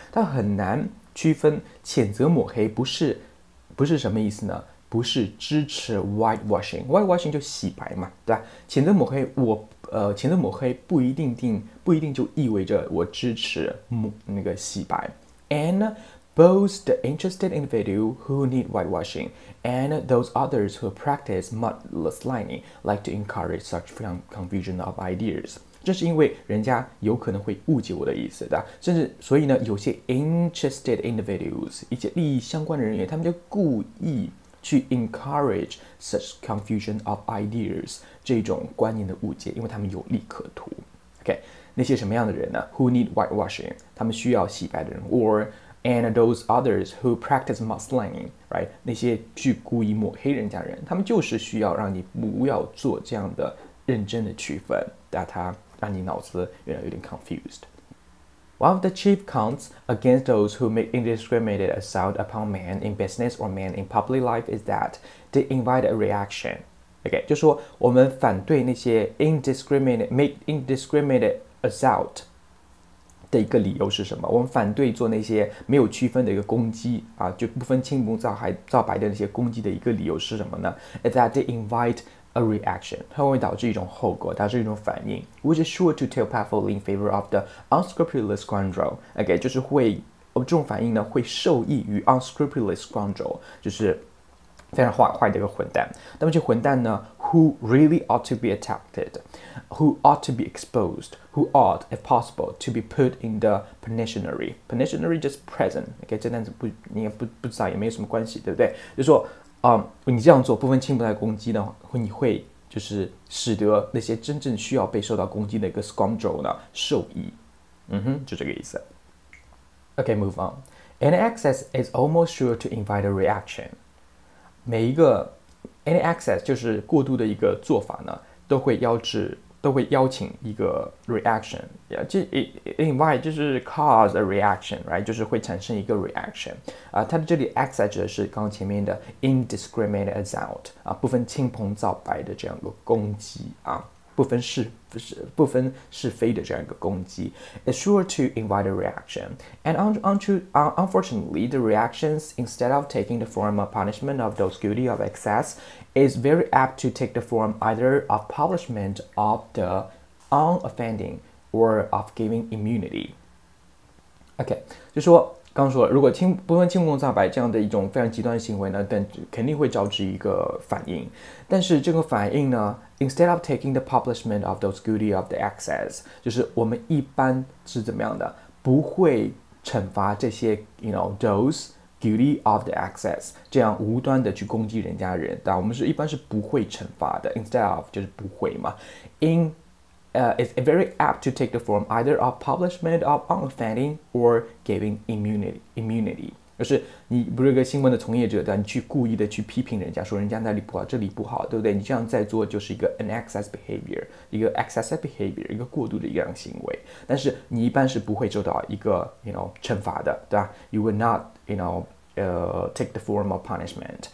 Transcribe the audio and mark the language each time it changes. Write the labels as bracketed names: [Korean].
[Chinese] 他很难区分谴责抹黑不是什么意思呢？不是支持 whitewashing. Whitewashing 就洗白嘛，对吧？谴责抹黑，谴责抹黑不一定就意味着我支持那个洗白。 [English] And both the interested individual who need whitewashing. And those others who practice mudslinging like to encourage such confusion of ideas. [Chinese] 这是因为人家有可能会误解我的意思的，甚至所以呢，有些 interested individuals 一些利益相关的人员，他们就故意去 [English] encourage such confusion of ideas [Chinese] 这种观念的误解，因为他们有利可图。 [English] OK， [Chinese] 那些什么样的人呢 [English] ？Who need whitewashing? [Chinese] 他们需要洗白的人 [English] ，or And those others who practice mudslinging, right? [Chinese] 那些去故意抹黑人家人，他们就是需要让你不要做这样的认真的区分，让他让你脑子原来有点 confused. [English] One of the chief counts against those who make indiscriminate assault upon men in business or men in public life is that they invite a reaction. [Chinese] Okay, 就说我们反对那些 indiscriminate assault. 的一个理由是什么？我们反对做那些没有区分的一个攻击就不分青红皂白的那些攻击的一个理由是什么呢 ？ [English] Is that they invite a reaction, [Chinese] 它会导致一种后果，导致一种反应 [English] which is sure to tell powerfully in favor of the unscrupulous scoundrel. [Chinese] Okay, 就是会，这种反应呢，会受益于 unscrupulous scoundrel, 就是非常坏的一个混蛋。那么这混蛋呢 [English] ,who really ought to be attacked, who ought to be exposed, who ought, if possible, to be put in the penitentiary. Penitentiary just present, okay, [Chinese] 这单词不你也 不知道也没有什么关系，对不对？就是说你这样做不分青红皂白攻击的话，你会就是使得那些真正需要被受到攻击的一个 scoundrel 呢受益。嗯哼，就这个意思。 [English] Okay, move on. Any access is almost sure to invite a reaction. [Chinese] 每一个 any access 就是过度的一个做法呢，都会邀请一个 reaction， 就 invite 就是 [English] cause a reaction， right？ [Chinese] 就是会产生一个 reaction。它的这里 access 指的是刚刚前面的 indiscriminate assault 啊，不分青红皂白的这样一个攻击啊，不分是非的这样一个攻击。 [English] It's sure to invite a reaction. And unfortunately, the reactions, instead of taking the form of punishment of those guilty of excess, is very apt to take the form either of punishment of the unoffending or of giving immunity. [Chinese] Okay, 就说刚刚说了，如果不分青红皂白这样的一种非常极端的行为呢，但肯定会招致一个反应。但是这个反应呢 ， [English] instead of taking the punishment of those guilty of the excess， [Chinese] 就是我们一般是怎么样的，不会惩罚这些 [English] you know those guilty of the excess [Chinese] 这样无端的去攻击人家人，但我们是一般是不会惩罚的。 [English] Instead of [Chinese] 就是不会嘛 [English] ，in It's very apt to take the form either of punishment of unoffending or giving immunity. [Chinese] 就是你不是个新闻的从业者，但你去故意的去批评人家，说人家那里不好，这里不好，对不对？你这样在做就是一个 [English] an excess behavior， [Chinese] 一个 excessive behavior， 一个过度的一样行为。但是你一般是不会受到一个 you know 惩罚的，对吧 ？ [English] You will not you know take the form of punishment.